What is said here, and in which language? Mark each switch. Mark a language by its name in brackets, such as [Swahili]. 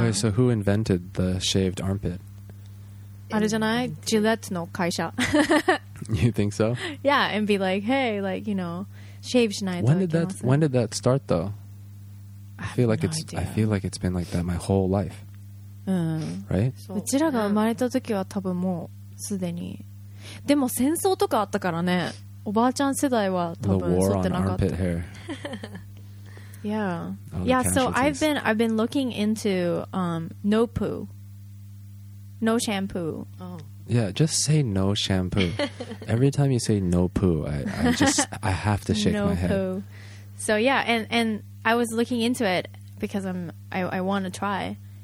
[English] Wait, so who invented the shaved armpit? [Japanese] あれじゃない?Gillette の会社. [English] You think so? Yeah, and be like, hey, like, you know, shave [Japanese] しないと. [English] When did that start, though? I feel like it's been like that my whole life. Right? [Japanese] So, うちらが生まれた時は多分もうすでに... でも戦争とかあったからね。おばあちゃん世代は多分剃ってなかった。 [English] The war on yeah. Yeah, so I've been looking into no poo. No shampoo. Oh. Yeah, just say no shampoo. Every time you say no poo, I have to shake no my head. No poo. So yeah, and I was looking into it because I want to try.